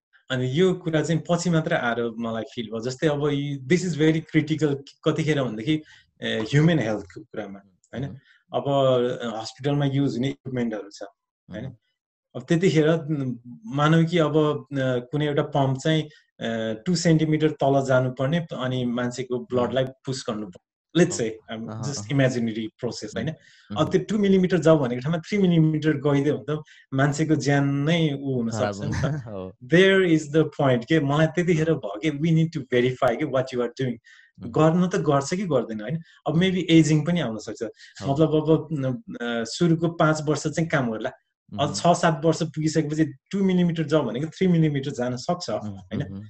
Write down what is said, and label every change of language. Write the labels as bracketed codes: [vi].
[ne] अनि यो कुरा चाहिँ पछि मात्र आएर मलाई फिल भयो. जस्तै अब [en] this is very critical [ne] कतिखेर भनेदेखि ह्युमन हेल्थको कुरामा होइन. अब हस्पिटलमा युज हुने इक्विपमेन्टहरू छ होइन. अब त्यतिखेर मानौ कि अब कुनै एउटा पम्प चाहिँ 2 सेन्टिमिटर तल जानुपर्ने अनि मान्छेको ब्लडलाई पुस गर्नुपर्ने. [en] Let's say I'm just imaginary process होइन. [ne] अब त्यो 2 मिलिमिटर जाऊ भनेको ठाउँमा 3 मिलिमिटर गइदियो भने त मान्छेको ज्यान नै ऊ हुन सक्छ. [en] there is the point के [ne] मलाई त्यतिखेर भयो कि [en] We need to verify कि what you're doing. [ne] गर्न त गर्छ कि गर्दैन होइन. अब मेबी एजिङ पनि आउन सक्छ. मतलब अब सुरुको 5 वर्ष चाहिँ काम होला. अब 6-7 वर्ष पुगिसकेपछि 2 मिलिमिटर जाऊ भनेको 3 मिलिमिटर जान सक्छ होइन.